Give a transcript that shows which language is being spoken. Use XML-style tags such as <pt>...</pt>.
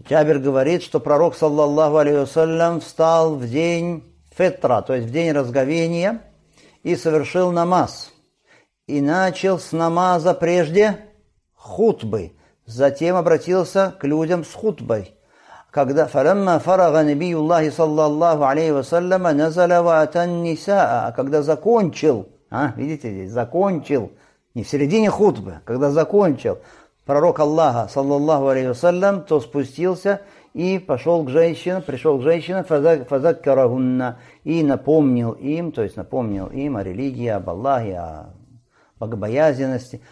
<ru>Джабир говорит, что пророк, саллаллаху алейхи ва саллям, встал в день фитра, то есть в день разговения, и совершил намаз. И начал с намаза прежде хутбы. Затем обратился к людям с хутбой. Когда</ru> <ar>فَلَمَّا فَرَغَ نَبِيُّ اللَّهِ صَلَّى اللَّهُ عَلَيْهِ وَسَلَّمَ نَزَلَ وَأَتَى النِّسَاءَ.</ar> <ru>А когда закончил, а, видите здесь, закончил, не в середине хутбы, когда закончил пророк Аллаха, саллаллаху алейхи ва саллям, то спустился и пошел к женщинам, пришел к женщинам, фазаккарахунна, и напомнил им, то есть напомнил им о религии, об Аллахе, о богобоязненности.</ru>